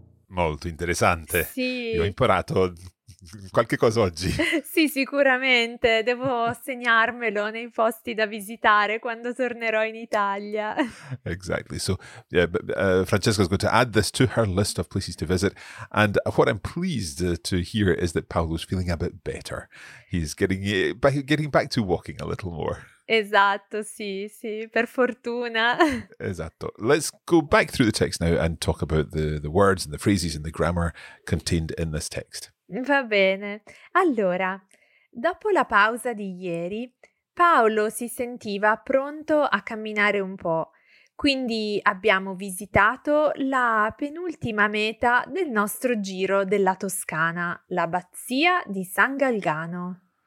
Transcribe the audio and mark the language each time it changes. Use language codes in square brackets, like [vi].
[it] Molto interessante. Sì. Io ho imparato qualche cosa oggi. Sì, sicuramente. Devo segnarmelo nei posti da visitare quando tornerò in Italia. [en] Exactly. So, yeah, Francesca is going to add this to her list of places to visit. And what I'm pleased to hear is that Paolo's feeling a bit better. He's getting back to walking a little more. [it] Esatto, sì, per fortuna. Esatto. [en] Let's go back through the text now and talk about the words and the phrases and the grammar contained in this text. [it] Va bene. Allora, dopo la pausa di ieri, Paolo si sentiva pronto a camminare un po', quindi abbiamo visitato la penultima meta del nostro giro della Toscana, l'abbazia di San Galgano.